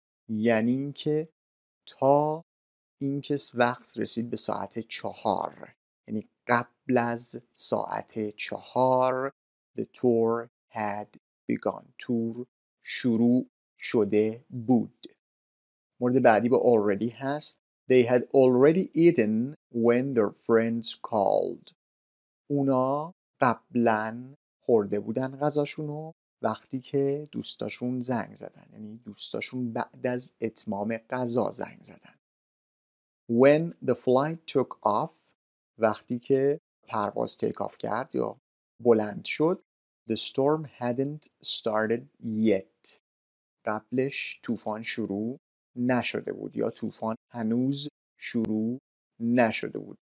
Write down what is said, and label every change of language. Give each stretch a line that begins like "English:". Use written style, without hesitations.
Persian: یعنی اینکه تا اینکه وقت رسید به ساعت 4، یعنی قبل از ساعت 4
English: the tour had begun،
Persian: تور شروع شده بود. مورد بعدی با already هست.
English: they had already eaten when their friends called.
Persian: اونا قبلا خورده بودن غذاشونو وقتی که دوستاشون زنگ زدن، یعنی دوستاشون بعد از اتمام غذا زنگ زدن.
English: When the flight took off،
Persian: وقتی که پرواز تیک آف کرد یا بلند شد،
English: the storm hadn't started yet،
Persian: قبلش طوفان شروع نشده بود یا طوفان هنوز شروع نشده بود.